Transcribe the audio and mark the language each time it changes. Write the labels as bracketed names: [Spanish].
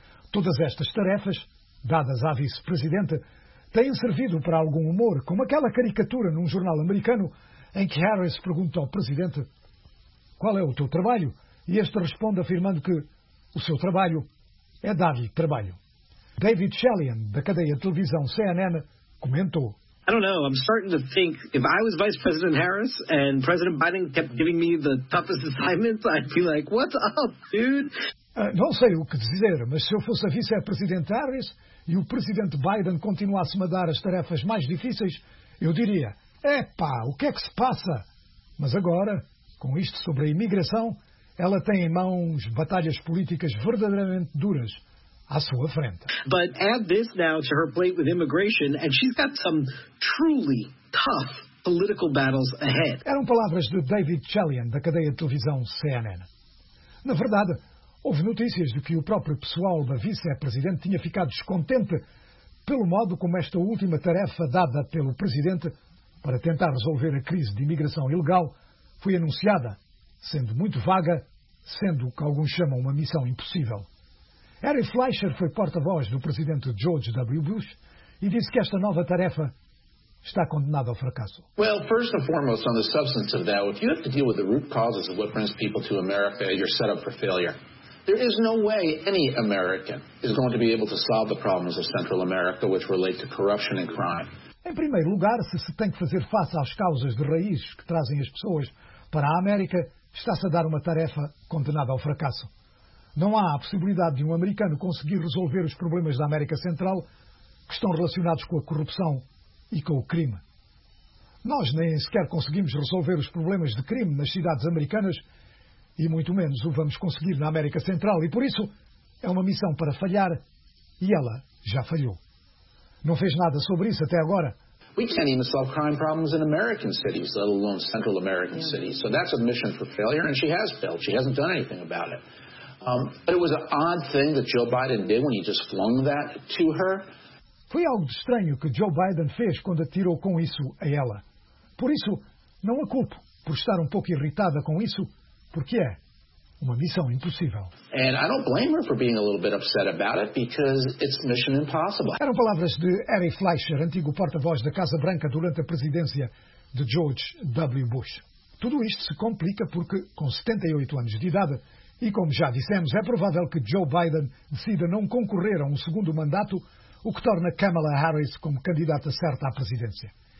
[Portuguese] Todas estas tarefas, dadas à vice-presidente, têm servido para algum humor, como aquela caricatura num jornal americano em que Harris pergunta ao presidente: qual é o teu trabalho? E este responde afirmando que o seu trabalho é dar-lhe trabalho. David Chalian, da cadeia de televisão CNN, comentou: [English] I don't know. I'm starting to think if I was Vice President Harris and President Biden kept giving me the toughest assignments, I'd be like, what's up, dude? [Portuguese] Não sei o que dizer, mas se eu fosse a vice-presidente Harris e o presidente Biden continuasse-me a dar as tarefas mais difíceis, eu diria: epá, o que é que se passa? Mas agora, com isto sobre a imigração, ela tem em mãos batalhas políticas verdadeiramente duras à sua frente. [English] But add this now to her plate with immigration, and she's got some truly tough political battles ahead. [Portuguese] Eram palavras de David Chalian, da cadeia de televisão CNN. Na verdade, houve notícias de que o próprio pessoal da vice-presidente tinha ficado descontente pelo modo como esta última tarefa dada pelo presidente para tentar resolver a crise de imigração ilegal foi anunciada, sendo muito vaga, sendo o que alguns chamam uma missão impossível. Harry Fleischer foi porta-voz do presidente George W. Bush e disse que esta nova tarefa está condenado ao fracasso. [English] Well, first and foremost, on the substance of that, if you have to deal with the root causes of what brings people to America, you're set up for failure. There is no way any American is going to be able to solve the problems of Central America which relate to corruption and crime. [Portuguese] Em primeiro lugar, se se tem que fazer face às causas de raiz que trazem as pessoas para a América, está-se a dar uma tarefa condenada ao fracasso. Não há a possibilidade de um americano conseguir resolver os problemas da América Central que estão relacionados com a corrupção e com o crime. Nós nem sequer conseguimos resolver os problemas de crime nas cidades americanas e muito menos o vamos conseguir na América Central, e por isso é uma missão para falhar, e ela já falhou. Não fez nada sobre isso até agora. [English] We can't even solve crime problems in American cities, let alone Central American cities. So that's a mission for failure, and she has failed. She hasn't done anything about it. But it was an odd thing that Joe Biden did when he just flung that to her. [Portuguese] Foi algo de estranho que Joe Biden fez quando atirou com isso a ela. Por isso, não a culpo por estar um pouco irritada com isso, porque é uma missão impossível. [English] And I don't blame her for being a little bit upset about it, because it's mission impossible. [Portuguese] Eram palavras de Harry Fleischer, antigo porta-voz da Casa Branca durante a presidência de George W. Bush. Tudo isto se complica porque, com 78 anos de idade, e como já dissemos, é provável que Joe Biden decida não concorrer a um segundo mandato, o que torna Kamala Harris como candidata certa à presidência.